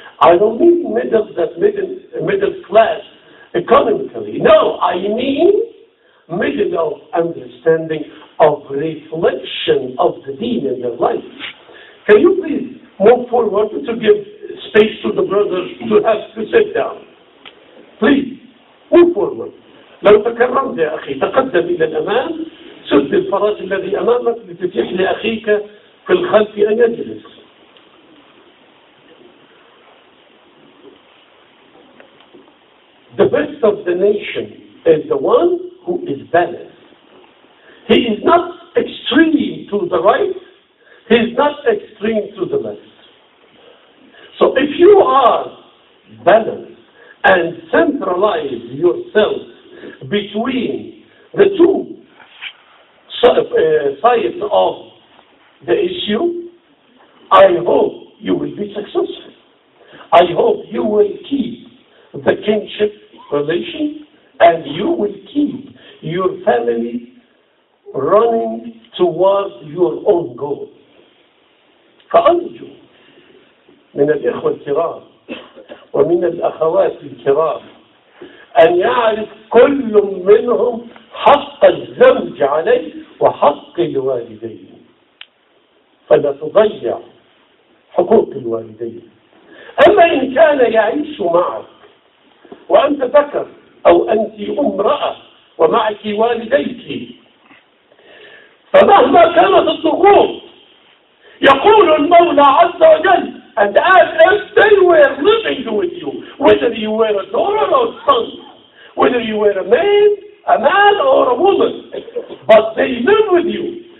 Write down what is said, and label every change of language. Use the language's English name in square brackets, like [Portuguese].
[English] I don't mean middle class. Economically, no, I mean middle of understanding of reflection of the deen in their life. Can you please move forward to give space to the brothers to have to sit down? Please, move forward. [Arabic] لو تكرمت يا أخي تقدم إلى الأمام، سد الفراج الذي أمامك لتتيح لأخيك في الخلف أن يجلس. [English] The best of the nation is the one who is balanced. He is not extreme to the right. He is not extreme to the left. So if you are balanced and centralize yourself between the two sides of the issue, I hope you will be successful. I hope you will keep the kinship relation, and you will keep your family running towards your own goal. [Arabic] فأرجو من الإخوة الكرام ومن الأخوات الكرام أن يعرف كل منهم حق الزوج عليه وحق الوالدين، فلا تضيع حقوق الوالدين. أما إن كان يعيش معك وأنت ذكر أو أنت امرأة ومعك والديك، فمهما كانت الضغوط يقول المولى عز وجل [English] and as if they were living with you, whether you were a daughter or a son, whether you were a man or a woman, but they live with you.